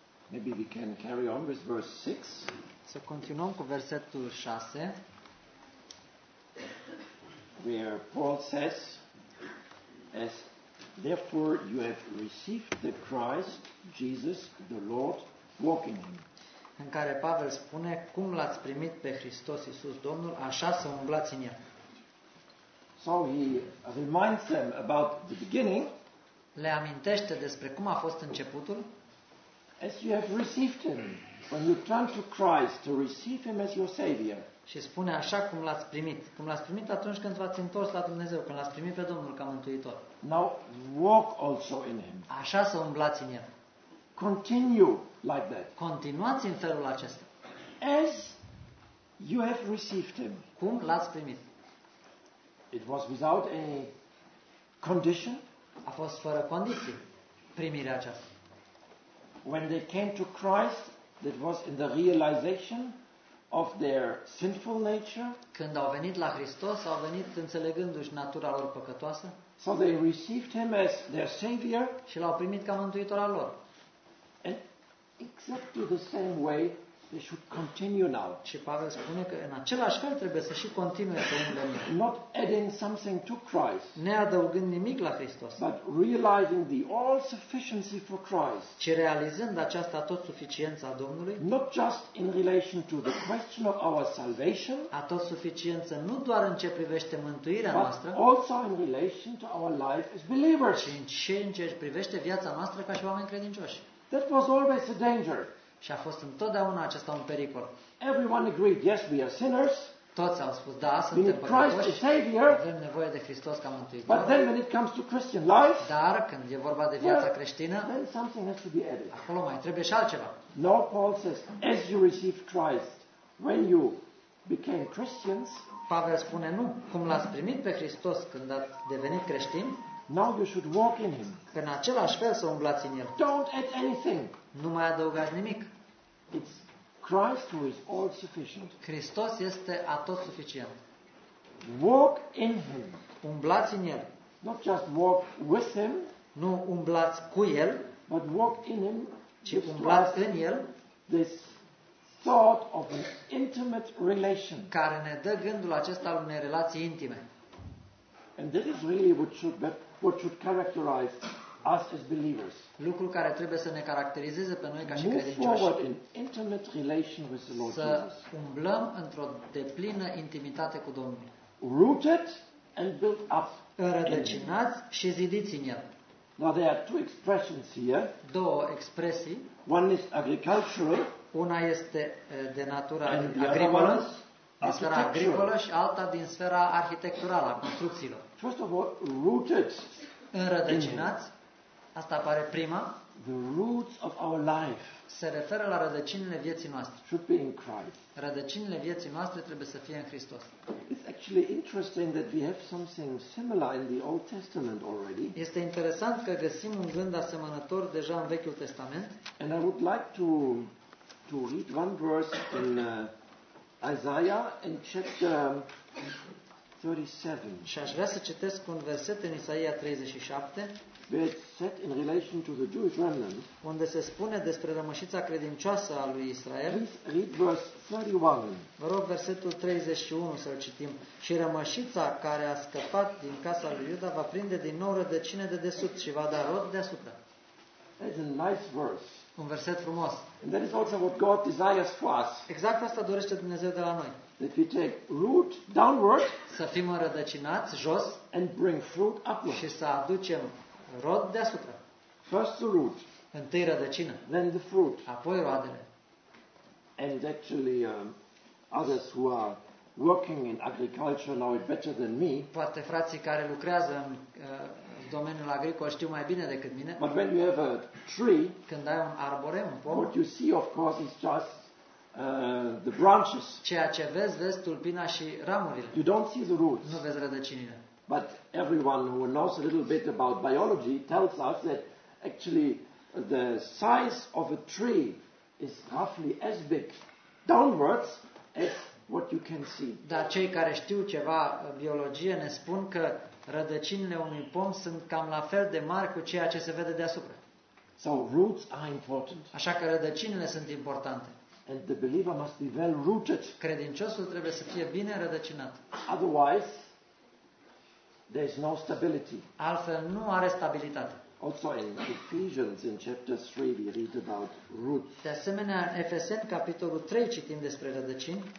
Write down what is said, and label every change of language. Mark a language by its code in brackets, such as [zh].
[en] Maybe we can carry on with verse 6. [ro] Să continuăm cu versetul 6. [en] Where Paul says, as therefore you have received the Christ Jesus the Lord, walk in him. [ro] În care Pavel spune cum l-ați primit pe Hristos Iisus Domnul, așa să umblați în el. [en] So he reminds them about the beginning. [ro] Le amintește despre cum a fost începutul. [en] As you have received him, when you turn to Christ to receive him as your savior. [ro] Și spune așa cum l-ați primit, cum l-ați primit atunci când v-ați întors la Dumnezeu, când l-ați primit pe Domnul ca mântuitor. [en] Now walk also in him. [ro] Așa să umblați în el. [en] Continue like that. [ro] Continuați în felul acesta. [en] As you have received him. [ro] Cum l-ați primit? [en] It was without any condition. [ro] A fost fără condiții primirea aceasta. [en] When they came to Christ, that was in the realization of their sinful nature. [ro] Când au venit la Hristos, au venit înțelegându-și natura lor păcătoasă. [en] So they received him as their savior. [ro] Și l-au primit ca mântuitor al lor. [en] And exactly the same way they should continue now. [ro] Și Pavel spune că în același fel trebuie să și continue să umble. [en] Not adding something to Christ. [ro] Neadăugând nimic la Hristos. [en] But realizing the all sufficiency for Christ. [ro] Ci realizând această tot suficiența Domnului. [en] Not just in relation to the question of our salvation. [ro] A tot suficiență nu doar în ce privește mântuirea noastră. [en] But also in relation to our life as believers. [ro] Și în ce privește viața noastră ca și oameni credincioși. [en] That was always a danger. [ro] Și a fost întotdeauna acesta un pericol. [en] Everyone agreed, yes, we are sinners. [ro] Toți au spus, da, suntem păcătoși, avem nevoie de Hristos ca Mântuitor. [en] But then when it comes to Christian life, [ro] dar când e vorba de viața creștină, [en] then something has to be added. [ro] Acolo mai trebuie și altceva. [en] No, Paul says, as you receive Christ, when you became Christians, [ro] Pavel spune, nu, cum l-ați primit pe Hristos când ați devenit creștin, [en] now you should walk in him. [ro] În același fel să umblați în el. [en] Don't add anything. [ro] Nu mai adăugați nimic. [en] It's Christ who is all sufficient. [ro] Hristos este atot suficient. [en] Walk in him. [ro] Umblați în el. [en] Not just walk with him. [ro] Nu umblați cu el. [en] But walk in him. [ro] Ci umblați în el. [en] This thought of an intimate relation. [ro] Care ne dă gândul acesta al unei relații intime. [en] And this is really what should characterize us as believers. [ro] Lucrul care trebuie să ne caracterizeze pe noi ca și credincioși. [en] Move forward in intimate relation with the Lord Jesus. [ro] Să umblăm într-o deplină intimitate cu Domnul. [en] Rooted and built up. [ro] Rădăcinați și zidiți în el. [en] Now there are two expressions here. [ro] Două expresii. [en] One is agricultural. [ro] Una este de natură agricolă. Sfera agricolă și alta din sfera arhitecturală, a construcțiilor. [en] First of all, rooted. [ro] Înrădăcinați. Asta apare prima. [en] The roots of our life. [ro] Se referă la rădăcinile vieții noastre. [en] Should be in Christ. [ro] Rădăcinile vieții noastre trebuie să fie în Hristos. [en] It's actually interesting that we have something similar in the Old Testament already. [ro] Este interesant că găsim un gând asemănător deja în Vechiul Testament. [en] And I would like to read one verse in Isaiah in chapter 37. [ro] Și aș vrea să citesc un verset în Isaia 37. [en] Where it's set in relation to the Jewish remnant. [ro] Unde se spune despre rămășița credincioasă a lui Israel. [en] Please read verse 31. [ro] Vă rog versetul 31 să-l citim. Și rămășița care a scăpat din casa lui Iuda va prinde din nou rădăcine de desubt și va da rod deasupra. [en] That's a nice verse. [ro] Un verset frumos. [en] And that is also what God desires for us. [ro] Exact asta dorește Dumnezeu de la noi. [en] That we take root downward. [ro] Să fim înrădăcinați jos. [en] And bring fruit upward. [ro] Și să aducem rod deasupra. [en] First the root. [ro] Întâi rădăcină. [en] Then the fruit. [ro] Apoi roadele. [en] And actually others who are working in agriculture know it better than me. [ro] Poate frații care lucrează în domeniul agricol știu mai bine decât mine. [en] But when you have a tree, [ro] când ai un arbore, un pom, [en] what you see of course is just the branches. [ro] Ceea ce vezi tulpina și ramurile. [en] You don't see the roots. [ro] Nu vezi rădăcinile. [en] But everyone who knows a little bit about biology tells us that actually the size of a tree is roughly as big downwards as what you can see. [ro] Dar cei care știu ceva biologie ne spun că rădăcinile unui pom sunt cam la fel de mari cu ceea ce se vede deasupra. [en] So roots are important. [ro] Așa că rădăcinile sunt importante. [en] And the believer must be well rooted. [ro] Credinciosul trebuie să fie bine rădăcinat. [en] Otherwise there is no stability. [ro] Altfel nu are stabilitate. [en] Also in Ephesians in chapter 3 we read about roots. [ro] De asemenea, în Efeseni capitolul 3 citim despre rădăcini.